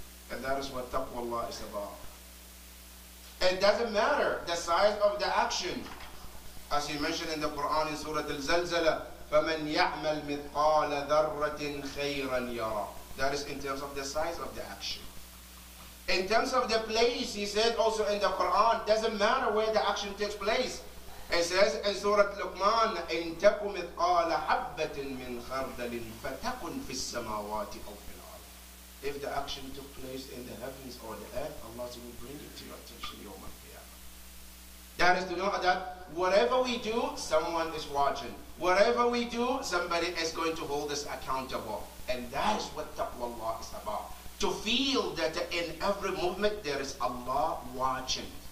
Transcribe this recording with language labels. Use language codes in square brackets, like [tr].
[en] And that is what taqwa Allah is about. It doesn't matter the size of the action. As He mentioned in the Quran in Surah Al-Zalzala, [ar] فَمَنْ يَعْمَلْ مِثْقَالَ ذَرَّةٍ خَيْرًا يَرَى. [en] That is in terms of the size of the action. In terms of the place, He said also in the Quran, doesn't matter where the action takes place. It says in Surah Luqman, [ar] إِن تَكُ مِثْقَالَ حَبَّةٍ مِنْ خَرْدَلٍ فَتَكُنْ فِي السَّمَاوَاتِ أَوْ فِي الْأَرْضِ. [en] If the action took place in the heavens or the earth, Allah will bring it to your attention [ar] يوم القيامة. [en] That is to know that whatever we do, someone is watching. Whatever we do, somebody is going to hold us accountable. And that is what taqwa Allah is about. To feel that in every movement there is Allah watching.